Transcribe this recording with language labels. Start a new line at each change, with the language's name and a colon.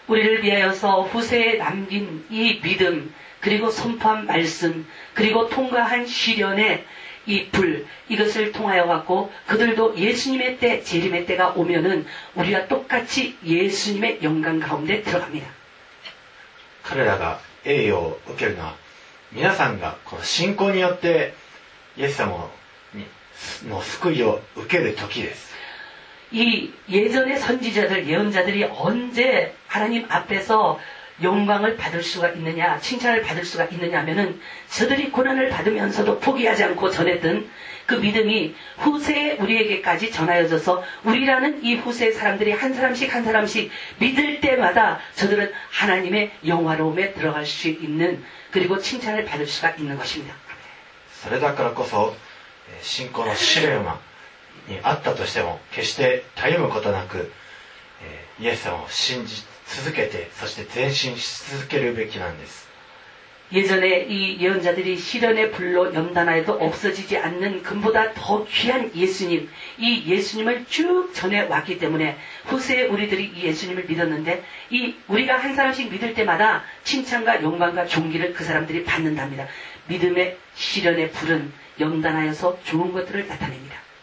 Korean: 우리를위하여서후세에남긴이믿음그리고선포한말씀그리고통과한시련의이불이것을통하여갖고그들도예수님의때재림의때가오면은우리와똑같이예수님의영광가운데들어갑니다
Japanese: 彼らが栄誉を受けるのは皆さんがこの信仰によってイエス様の救いを受ける時です
Korean: 이 예전의 선지자들 예언자들이 언제 하나님 앞에서 영광을 받을 수가 있느냐, 칭찬을 받을 수가 있느냐 하면은 저들이 고난을 받으면서도 포기하지 않고 전했던 그 믿음이 후세에 우리에게까지 전하여져서 우리라는 이 후세 사람들이 한 사람씩 한 사람씩 믿을 때마다 저들은 하나님의 영화로움에 들어갈 수 있는 그리고 칭찬을 받을 수가 있는 것입니다.
Japanese: それだからこそ信仰の試練はにあったとしても決して絶えることなく、イエス様を信じ続けてそして前進し続けるべきなんです。
Korean: 예전에이예언자들이시련의불로연단하여도없어지지않는금보다더귀한예수님이예수님을쭉전해왔기때문에후세에우리들이이예수님을믿었는데이우리가한사람씩믿을때마다칭찬과영광과존귀를그사람들이받는답니다믿음의시련의불은연단하여서좋은것들을나타냅니다